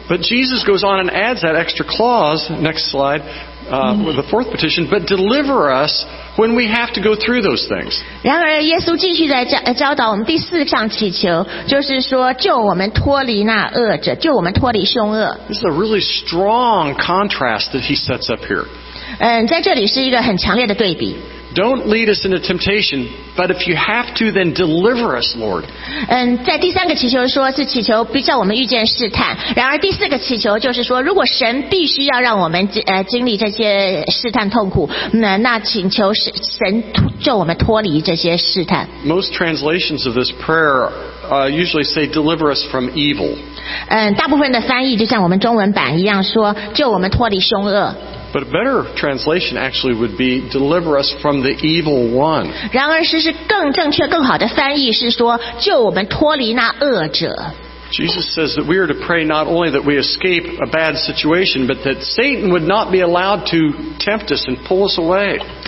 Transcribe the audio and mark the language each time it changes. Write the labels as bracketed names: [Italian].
[English] But Jesus goes on and adds that extra clause, next slide, with the fourth petition, but deliver us when we have to go through those things. [Chinese] 然而耶稣继续在 教导我们第四项祈求，就是说救我们脱离那恶者，救我们脱离凶恶。 [English] This is a really strong contrast that he sets up here. [Chinese] 在这里是一个很强烈的对比。 [English] Don't lead us into temptation, but if you have to, then deliver us, Lord. [Chinese] 在第三个祈求说是祈求不叫我们遇见试探，然而第四个祈求就是说，如果神必须要让我们经历这些试探痛苦，那请求神救我们脱离这些试探。 [English] Most translations of this prayer usually say deliver us from evil. [Chinese] 大部分的翻译就像我们中文版一样说，救我们脱离凶恶。 [English] But a better translation actually would be deliver us from the evil one. [Chinese] 然而是更正确更好的翻译是说救我们脱离那恶者。 [English] Jesus says that we are to pray not only that we escape a bad situation, but that Satan would not be allowed to tempt us and pull us away.